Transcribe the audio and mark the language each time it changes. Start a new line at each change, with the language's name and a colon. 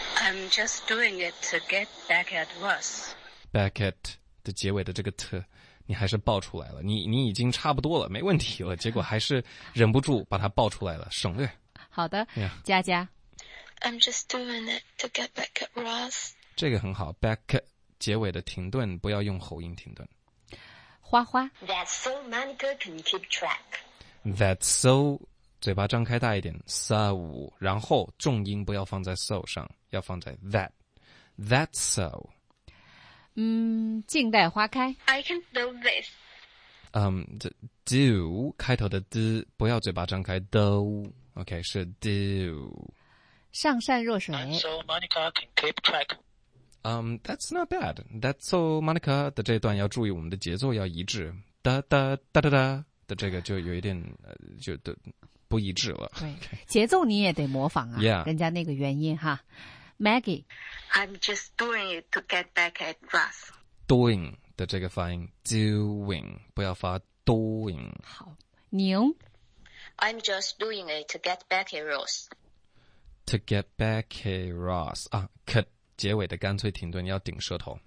English: I'm just doing it to get back at Ross.
Chinese: Back at的结尾的这个特你还是爆出来了，你已经差不多了，没问题了，结果还是忍不住把它爆出来了，省略。好的，佳佳。
English: I'm just doing it to get back at Ross.
Chinese: 这个很好， back 结尾的停顿不要用喉音停顿。花花。
English: That's so Monica can keep track.
Chinese: That's so, 嘴巴张开大一点 so, 然后重音不要放在 so 上，要放在 that. That's so. 静待花开。
English: I can do this.
Chinese: Do 开头的 d 不要嘴巴张开 do.
English: OK, 是 do.
Chinese: 上善若水。
English: That's so Monica can keep track. That's not bad.
Chinese: That's so Monica 的这段要注意，我们的节奏要一致。哒哒哒哒哒的这个就有一点就不一致了。对， okay. 节奏你也得模仿啊。
English: Yeah.
Chinese: 人家那个原因哈。Maggie,
English: I'm just doing it to get back at Ross.
Chinese: Doing 的这个发音 doing 不要发 doing. 好，宁。
English: I'm just doing it to get back at Ross.
Chinese: To get back at Ross 啊，可结尾的干脆停顿要顶舌头。